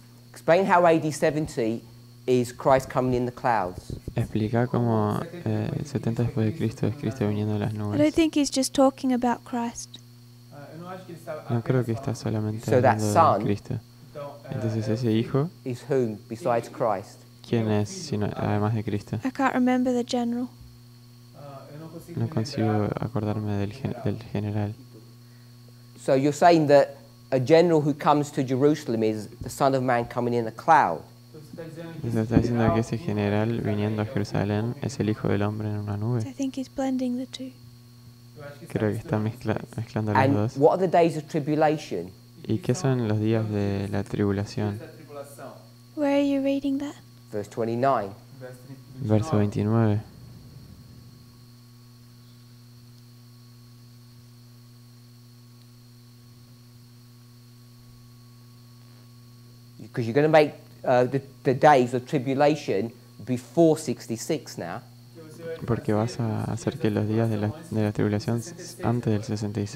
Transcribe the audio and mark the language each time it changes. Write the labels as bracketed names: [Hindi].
[English] Explain how AD 70 is Christ coming in the clouds. [Spanish] Explica cómo el 70 después de Cristo es Cristo viniendo en las nubes. [English] I don't think he's just talking about Christ. [Spanish] No creo que está solamente hablando de Cristo. Entonces ese hijo. [English] Is whom besides Christ? [Spanish] ¿Quién es sino además de Cristo? [English] I can't remember the general. [Spanish] No consigo acordarme del general. [English] So you're saying that a general who comes to Jerusalem is the Son of Man coming in a cloud. [Spanish] Entonces está diciendo que ese general viniendo a Jerusalén es el Hijo del Hombre en una nube. [English] I think he's blending the two. [Spanish] Creo que está mezclando los [English] And [Spanish] dos. [English] What are the days of tribulation? [Spanish] ¿Y qué son los días de la tribulación? [English] Where are you reading that? Verse 29. [Spanish] Verso 29. [English] You because you're going to make the days of tribulation before 66 now. [Spanish] Porque vas a hacer que los días de la tribulación antes del 66.